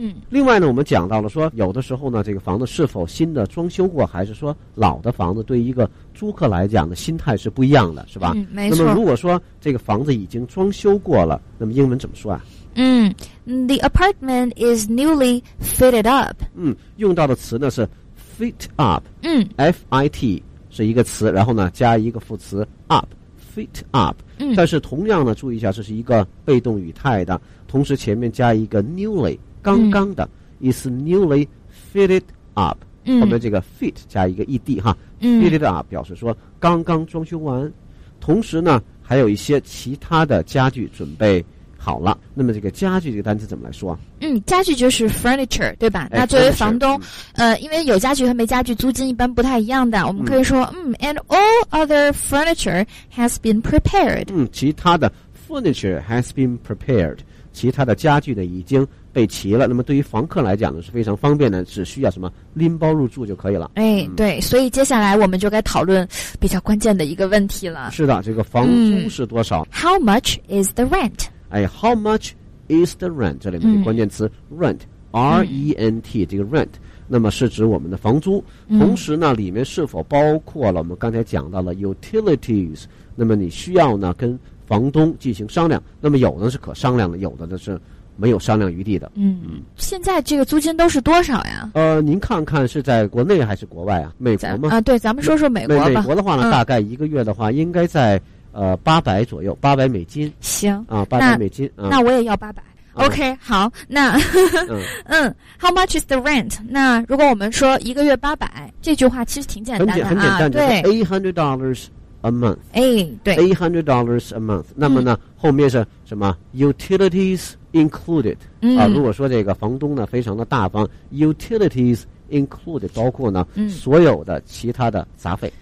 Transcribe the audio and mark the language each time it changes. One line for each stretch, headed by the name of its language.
Chinese: 另外呢，我们讲到了说，有的时候呢，这个房子是否新的装修过，还是说老的房子，对一个租客来讲的心态是不一样的，是吧？没错。那么如果说这个房子已经装修过了，那么英文怎么说啊？
English: The apartment is newly fitted up。
Chinese: 用到的词呢是 fit up。F-I-T 是一个词，然后呢加一个副词 up，fit up。但是同样呢，注意一下，这是一个被动语态的，同时前面加一个 newly， 刚刚的
English: is newly fitted up。
Chinese: 后面这个 fit 加一个 ed 哈 ，
English: fitted up
Chinese: 表示说刚刚装修完，同时呢还有一些其他的家具准备。好了，那么这个家具这个单词怎么来说？家具就是 furniture， 对吧？那作为房东，因为有家具和没家具，租金一般不太一样的。我们可以说，
English: and all other furniture has been prepared。
Chinese: 其他的
English: furniture has been prepared，
Chinese: 其他的家具呢已经备齐了。那么对于房客来讲呢，是非常方便的，只需要什么拎包入住就可以了。对，所以接下来我们就该讨论比较关键的一个问题了。是的，这个房租是多少？
English: How much is the rent？ How much is the rent？
Chinese: 这里面的关键词 rent， R-E-N-T， 这个 rent， 那么是指我们的房租。同时呢，里面是否包括了我们刚才讲到了 utilities？那么你需要呢跟房东进行商量。那么有的是可商量的，有的呢是没有商量余地的。嗯嗯，现在这个租金都是多少呀？您看看是在国内还是国外啊？美国吗？啊，对，咱们说说美国吧。美国的话呢，大概一个月的话，应该在800左右，800美金。行啊，800美金。那我也要800。
English: OK， 好，那How much is the rent？
Chinese: 那如果我们说一个月800，这句话其实挺简单的啊，很简单，对
English: ，$800 a month。
Chinese: 哎，对
English: ，$800 a month。
Chinese: 那么呢，后面是什么 ？
English: Utilities included。
Chinese: 啊，如果说这个房东呢非常的大方 ，
English: utilities included
Chinese: 包括呢所有的其他的杂费。